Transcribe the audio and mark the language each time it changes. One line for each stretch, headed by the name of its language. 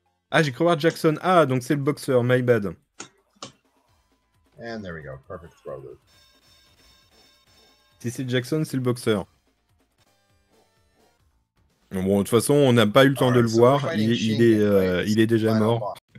French: Ah, j'ai cru voir Jackson. Ah, donc c'est le boxeur,
English: my bad. And there we go, perfect throw loop.
French: Si c'est Jackson, c'est le boxeur. Bon, de toute façon, on n'a pas eu le temps de le voir. Il est déjà mort.